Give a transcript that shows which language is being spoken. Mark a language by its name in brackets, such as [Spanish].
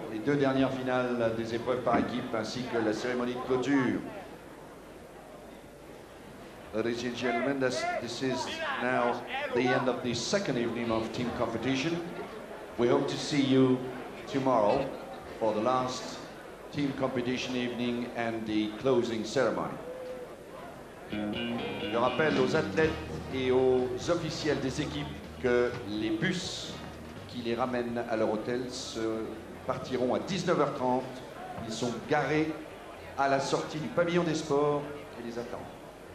[French] Les deux dernières finales des épreuves par équipe ainsi que la cérémonie de clôture. [English] Ladies and gentlemen, this is now the end of the second evening of team competition. We hope to see you tomorrow for the last team competition evening and the closing ceremony. [French] Je rappelle aux athlètes et aux officiels des équipes que les bus qui les ramènent à leur hôtel partiront à 19h30. Ils sont garés à la sortie du pavillon des sports et les attendent.